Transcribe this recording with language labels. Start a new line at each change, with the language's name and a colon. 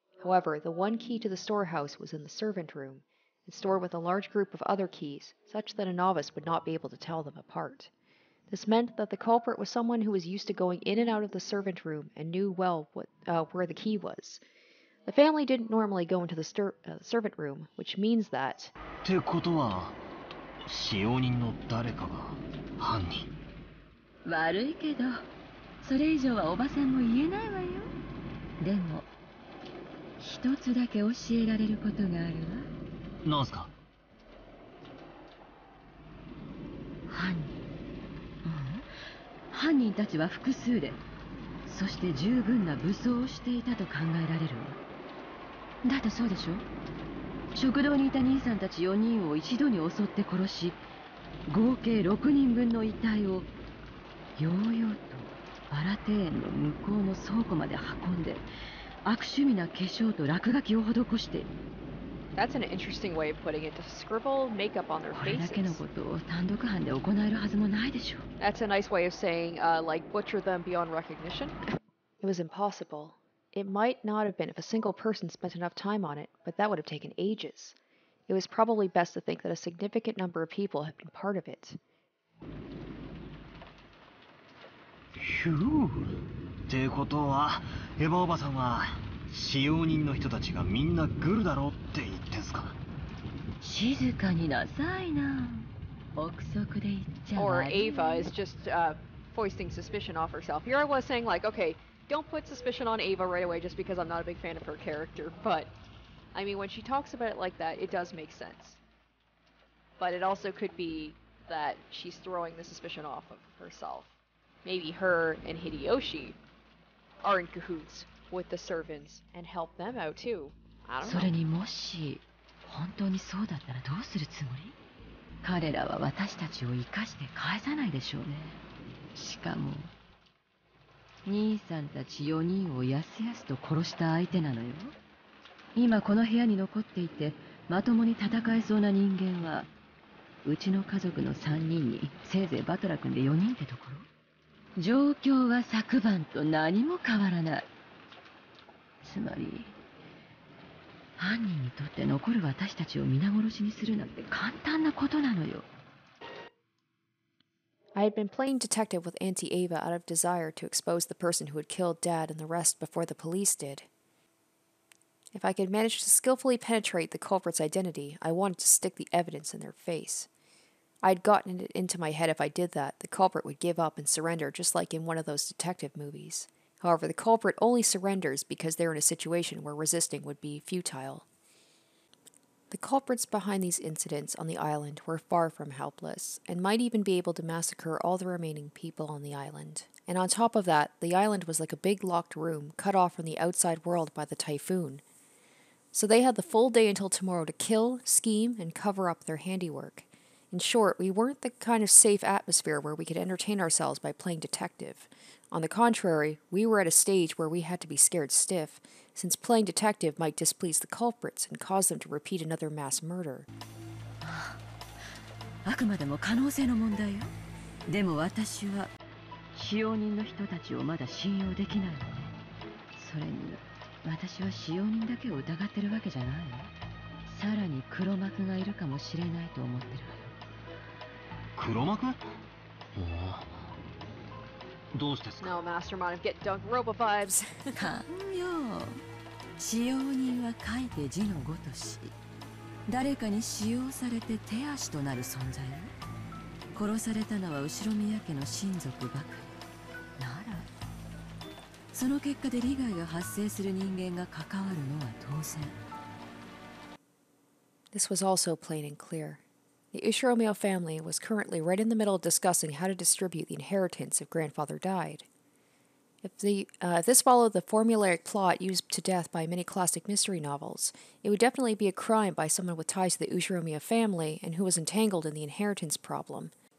English: However, the one key to the storehouse was in the servant room, and stored with a large group of other keys, such that a novice would not be able to tell them apart. This meant that the culprit was someone who was used to going in and out of the servant room and knew well where the key was. The family didn't normally go into the servant room, which means that...
Japanese: ってことは、使用人の誰かが犯人。悪いけど、それ以上はおばさんも言えないわよ。でも、一つだけ教えられることがあるわ。なんすか？犯人、犯人たちは複数で、そして十分な武装をしていたと考えられるわ。だってそうでしょ？食堂にいた兄さんたち4人を一度に襲って殺し、合計6人分の遺体をようようとバラ庭園の向こうの倉庫まで運んで、悪趣味な化粧と落書きを施して。
English: That's an interesting way of putting it, to scribble makeup on their faces.
Japanese: これだけのことを単独犯で行えるはずもないでしょう。
English: That's a nice way of saying, like, butcher them beyond recognition. It was impossible. It might not have been if a single person spent enough time on it, but that would have taken ages. It was probably best to think that a significant number of people had been part of it. Phew!
Japanese: てことは、エヴァおばさんは使用人の人たちがみんなグルだろうって言ってんすか？静かになさいな。憶測で言っちゃう。
English: Or Ava is just, foisting suspicion off herself. Here I was saying, like, okay, don't put suspicion on Ava right away just because I'm not a big fan of her character. But, I mean, when she talks about it like that, it does make sense. But it also could be that she's throwing the suspicion off of herself. Maybe her and Hideyoshi are in cahoots. With the servants and help them out too.
Japanese: それにもし本当にそうだったらどうするつもり？彼らは私たちを生かして返さないでしょうね。しかも兄さんたち4人をやすやすと殺した相手なのよ。今この部屋に残っていてまともに戦えそうな人間はうちの家族の3人にせいぜいバトラ君で4人ってところ。状況は昨晩と何も変わらない。つまり、犯人にとって残る私たちを皆殺しにするなんて簡単なことなのよ。
English: I had been playing detective with Auntie Ava out of desire to expose the person who had killed Dad and the rest before the police did. If I could manage to skillfully penetrate the culprit's identity, I wanted to stick the evidence in their face. I had gotten it into my head if I did that, the culprit would give up and surrender just like in one of those detective movies. However, the culprit only surrenders because they're in a situation where resisting would be futile. The culprits behind these incidents on the island were far from helpless, and might even be able to massacre all the remaining people on the island. And on top of that, the island was like a big locked room, cut off from the outside world by the typhoon. So they had the full day until tomorrow to kill, scheme, and cover up their handiwork. In short, we weren't the kind of safe atmosphere where we could entertain ourselves by playing detective. On the contrary, we were at a stage where we had to be scared stiff, since playing detective might displease the culprits and cause them to repeat another mass murder.
Japanese: あくまでも可能性の問題よ。でも私は使用人の人たちをまだ信用できないのね。それに私は使用人だけを疑ってるわけじゃないの。さらに黒幕がいるかもしれないと思ってるわよ。黒幕？どうしてですか？
English: No, mastermind, get dunk robot vibes.
Japanese: 勘よ。使用人は書いて字のごとし、誰かに使用されて手足となる存在よ。殺されたのは後宮家の親族ばかり。なら、その結果で利害が発生する人間が関わるのは当然。
English: This was also plain and clear. The Ushiromiya family was currently right in the middle of discussing how to distribute the inheritance if grandfather died. If this followed the formulaic plot used to death by many classic mystery novels, it would definitely be a crime by someone with ties to the Ushiromiya family and who was entangled in the inheritance problem.